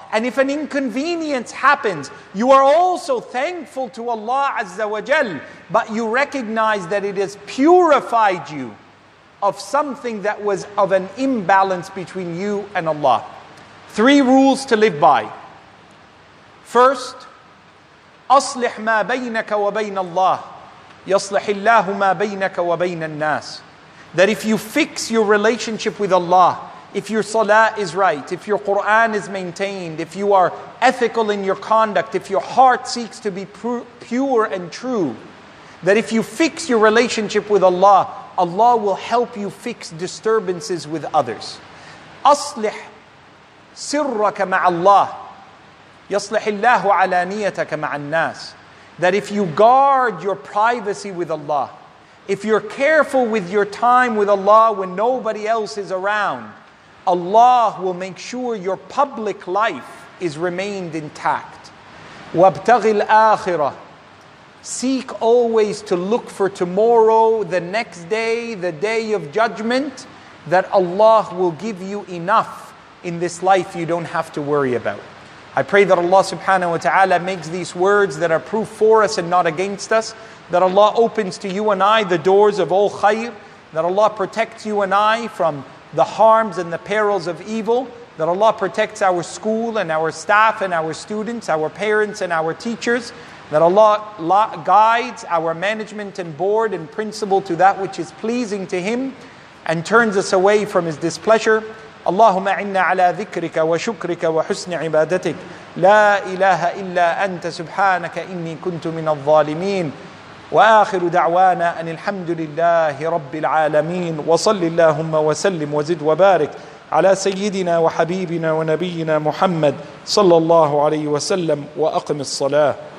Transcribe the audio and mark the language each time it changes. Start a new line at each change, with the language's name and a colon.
English: And if an inconvenience happens, you are also thankful to Allah Azza wa Jal, but you recognize that it has purified you of something that was of an imbalance between you and Allah. Three rules to live by. First,
Arabic: أصلح ما بينك وبين الله يصلح الله ما بينك وبين الناس.
English: That if you fix your relationship with Allah, if your salah is right, if your Quran is maintained, if you are ethical in your conduct, if your heart seeks to be pure and true, that if you fix your relationship with Allah, Allah will help you fix disturbances with others.
Arabic: أصلح سرك مع الله يصلح الله علانيتك مع الناس.
English: That if you guard your privacy with Allah, if you're careful with your time with Allah when nobody else is around, Allah will make sure your public life is remained intact.
Arabic: وابتغ الآخرة.
English: Seek always to look for tomorrow, the next day, the day of judgment, that Allah will give you enough in this life you don't have to worry about. I pray that Allah subhanahu wa ta'ala makes these words that are proof for us and not against us. That Allah opens to you and I the doors of all khayr. That Allah protects you and I from the harms and the perils of evil. That Allah protects our school and our staff and our students, our parents and our teachers. That Allah guides our management and board and principal to that which is pleasing to Him and turns us away from His displeasure.
Arabic: اللهم إنا على ذكرك وشكرك وحسن عبادتك لا إله إلا أنت سبحانك إني كنت من الظالمين وآخر دعوانا أن الحمد لله رب العالمين وصل اللهم وسلم وزد وبارك على سيدنا وحبيبنا ونبينا محمد صلى الله عليه وسلم وأقم الصلاة.